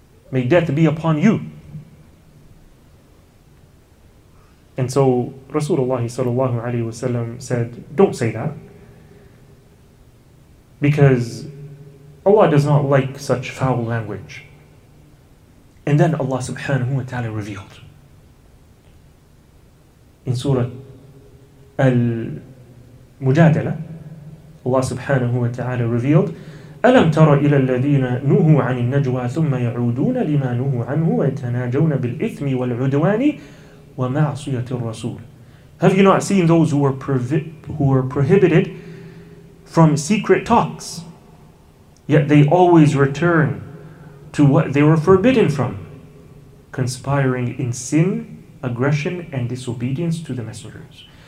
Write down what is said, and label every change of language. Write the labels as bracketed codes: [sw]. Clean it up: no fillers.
[en] May death be upon you. And so Rasulullah sallallahu alayhi wa sallam said, don't say that, because Allah does not like such foul language. And then Allah subhanahu wa ta'ala revealed in Surah Al-Mujadala, Allah subhanahu wa ta'ala revealed, [ar] أَلَمْ تَرَ إِلَى الَّذِينَ نُهُوا عَنِ النَّجْوَى ثُمَّ يَعُودُونَ لِمَا نُهُوا عَنْهُ وَيَتَنَاجَوْنَ بِالْإِثْمِ وَالْعُدْوَانِ وَمَعْصِيَةِ الرَّسُولِ. [en] Have you not seen those who were prohibited from secret talks, yet they always return to what they were forbidden from, conspiring in sin, aggression, and disobedience to the messengers?